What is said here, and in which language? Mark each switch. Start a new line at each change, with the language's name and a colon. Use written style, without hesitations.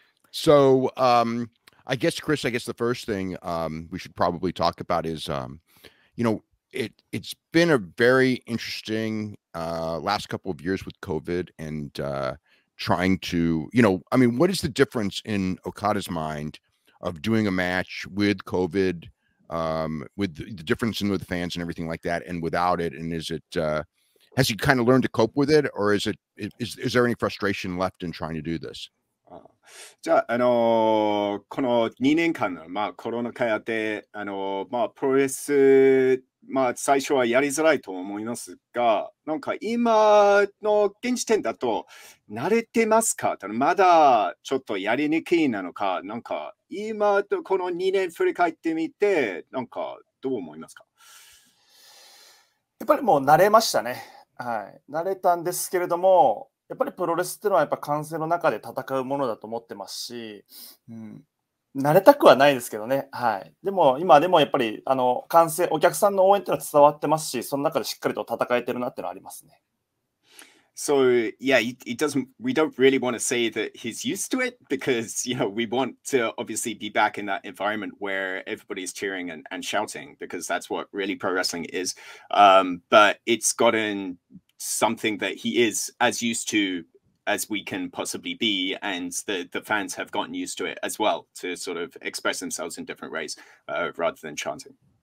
English: So, I guess the first thing we should probably talk about is, you know, it's been a very interesting last couple of years with COVID and trying to, you know, I mean, what is the difference in Okada's mind of doing a match with COVID, with the difference in with fans and everything like that, and without it? And is it, has he kind of learned to cope with it, or is it, is there any frustration left in trying to do this?
Japanese: じゃあ、この2年間の、まあ、コロナ禍やって、まあ、プロレス、まあ、最初はやりづらいと思いますが、なんか今の現時点だと慣れてますか？ただまだちょっとやりにくいなのか、なんか今とこの2年振り返ってみて、なんかどう思いますか？やっぱりもう慣れましたね。はい、慣れたんですけれども、やっぱりプロレスっていうのはやっぱ歓声の中で戦うものだと思ってますし、うん、慣れたくはないですけどね。はい。でも今でもやっぱり歓声、お客さんの応援っていうのは伝わってますし、その中でしっかりと戦えてるなっていうのはありますね。
English: So, yeah, we don't really want to say that he's used to it because, you know, we want to obviously be back in that environment where everybody's cheering and shouting because that's what really pro wrestling is. But it's gotten something that he is as used to as we can possibly be, and the fans have gotten used to it as well, to sort of express themselves in different ways rather than chanting.